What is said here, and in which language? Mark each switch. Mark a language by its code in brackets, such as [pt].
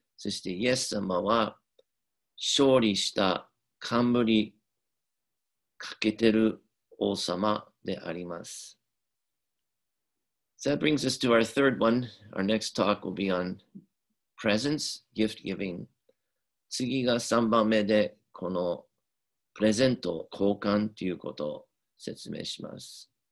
[ja] そしてイエス様は勝利した冠かけてる王様であります。 [en] So that brings us to our third one. Our next talk will be on presents, gift giving. [ja] 次が3番目でこのプレゼント交換ということを説明します。